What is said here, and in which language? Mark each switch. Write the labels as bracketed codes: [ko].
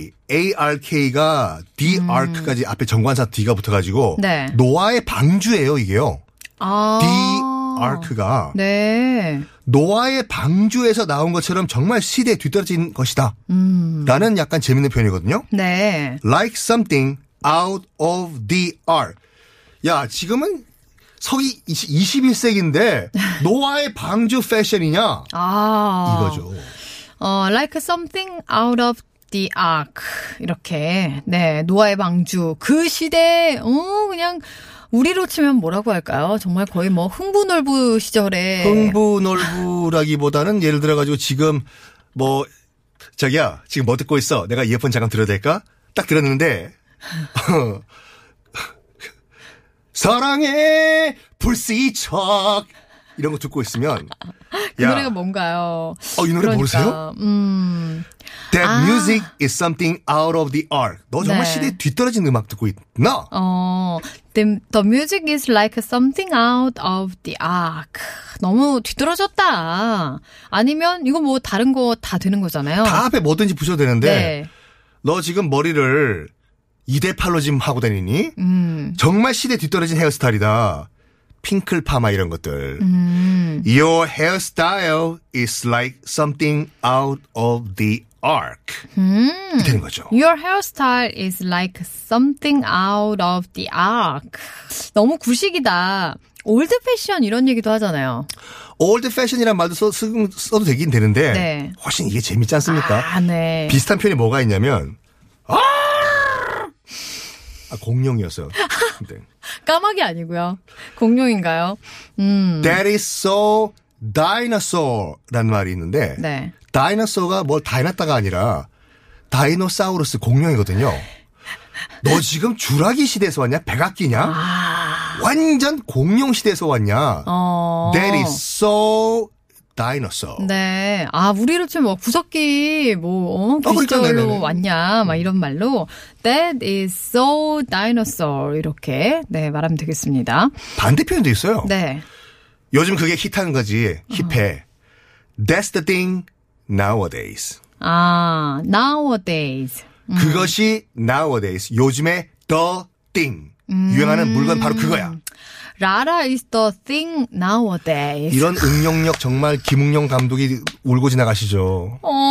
[ko] ARK가 the arc까지 앞에 정관사 D가 붙어가지고 네. 노아의 방주예요. 이게요. 아~ [en] the arc가 [ko] 네. 노아의 방주에서 나온 것처럼 정말 시대에 뒤떨어진 것이다. 라는 약간 재밌는 표현이거든요. 네. [en] like something out of the arc. [ko] 야, 지금은 서기 21세기인데 노아의 방주 패션이냐? 아, 이거죠. [en] Like something out of the ark. [ko] 이렇게 네 노아의 방주 그 시대 그냥 우리로 치면 뭐라고 할까요? 정말 거의 뭐 흥부놀부 시절에 흥부놀부라기보다는 예를 들어가지고 지금 뭐 저기야 지금 뭐 듣고 있어? 내가 이어폰 잠깐 들어도 될까? 딱 들었는데. 사랑해 불시척 이런 거 듣고 있으면 야. 노래가 뭔가요? 어, 이 노래 그러니까. 모르세요? [en] That music is something out of the ark. [ko] 너 정말 네. 시대에 뒤떨어진 음악 듣고 있나? [en] 어, the music is like something out of the ark. [ko] 너무 뒤떨어졌다. 아니면 이거 뭐 다른 거 다 되는 거잖아요. 다 앞에 뭐든지 붙여도 되는데 네. 너 지금 머리를 2대8로 지금 하고 다니니? 정말 시대 뒤떨어진 헤어스타일이다. 핑클 파마 이런 것들. [en] Your hairstyle is like something out of the ark. [ko] 되는 거죠. [en] Your hairstyle is like something out of the ark. [ko] 너무 구식이다. 올드 패션 이런 얘기도 하잖아요. 올드 패션이란 말도 써도 되긴 되는데 네. 훨씬 이게 재밌지 않습니까? 아, 네. 비슷한 표현이 뭐가 있냐면 아, 공룡이었어요. 네. 까마귀 아니고요. 공룡인가요? [en] That is so dinosaur [ko] 라는 말이 있는데 네. 다이너소가 뭘 다이났다가 아니라 다이노사우루스 공룡이거든요. 너 지금 주라기 시대에서 왔냐? 백악기냐? 완전 공룡 시대에서 왔냐? 어. [en] That is so dinosaur. [ko] 네. 아, 우리로 치면 구석기 뭐 기적으로 왔냐? 막 이런 말로 [en] That is so dinosaur [ko] 이렇게 네 말하면 되겠습니다. 반대 표현도 있어요. 네. 요즘 그게 힙한 거지. 힙해. 어. [en] That's the thing nowadays. 아, nowadays. [ko] 그것이 nowadays. 요즘에 the thing. 유행하는 물건 바로 그거야. [en] Lara is the thing nowadays. [ko] 이런 응용력 정말 김응용 감독이 울고 지나가시죠.